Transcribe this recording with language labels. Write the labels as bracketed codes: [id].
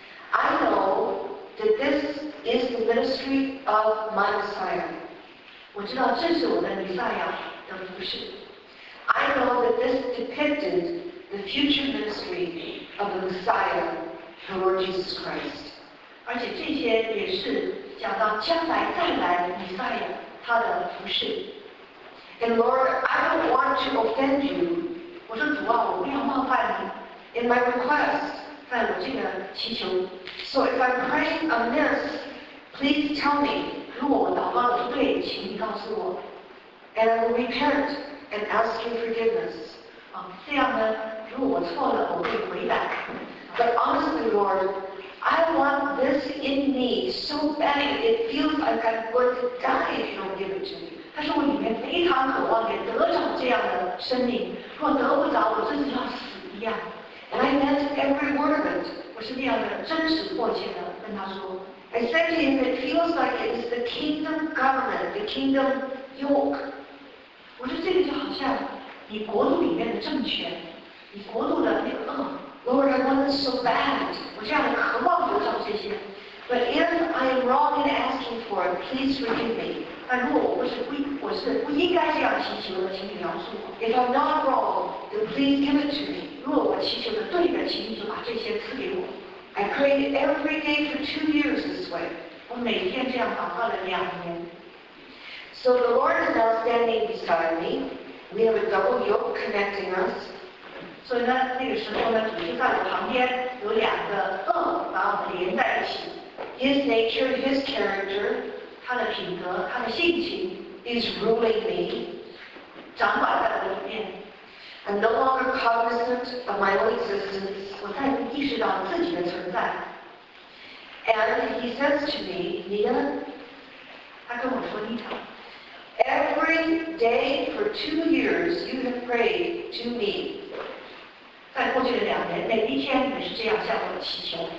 [en] I know that this is the ministry of my Messiah. [zh] 我知道这是我的弥赛亚的服事。 [en] I know that this depicted the future ministry of the Messiah, the Lord Jesus Christ. [zh] 而且这些也是讲到将来再来的弥赛亚他的服事。 [en] And Lord, I don't want to offend you. [zh] 我说主啊，我不要冒犯你。 [en] In my request, [zh] 在我这个祈求。 [en] So if I'm praying amiss, please tell me. [zh] 如果我祷告不对，请你告诉我。 [en] And I will repent and ask you forgiveness. [zh] 啊，这样呢，如果我错了，我会悔改。 [en] But honestly, Lord, I want this in me so bad it feels like I'm going to die if you don't give it to me. [zh] 他说我里面非常渴望也得着这样的生命，若得不着，我真是要死一样。 [en] And I meant every word of it. [zh] 我是那样的真实迫切的跟他说。 [en] I said to him, it feels like it's the kingdom government, the kingdom yoke. [zh] 我说这个就好像你国度里面的政权，你国度的那个恶。 [en] Lord, I want it so bad. [zh] 我这样的渴望得着这些。 [en] But if I am wrong in asking for it, please forgive me. [zh] 但如果我是不应该这样祈求的，请你饶恕我。 [en] If I'm not wrong, then please give it to me. [zh] 如果我祈求的对的，请你就把这些赐给我。 [en] I prayed every day for 2 years this way. [zh] 我每天这样祷告了两年。 [en] So the Lord is now standing beside me. We have a double yoke connecting us. [zh] 所以呢，那个时候呢，主就在我旁边，有两个轭把我们连在一起。 [en] His nature, his character, [zh] 他的品格，他的性情 [en] is ruling me, [zh] 掌管在我里面。 [en] I'm no longer cognizant of my own existence. [zh] 我再意识到自己的存在。 [en] And he says to me, Nina, [zh] 他跟我说 Nina, [en] every day for 2 years you have prayed to me. [zh] 在过去的两年，每一天你是这样向我祈求。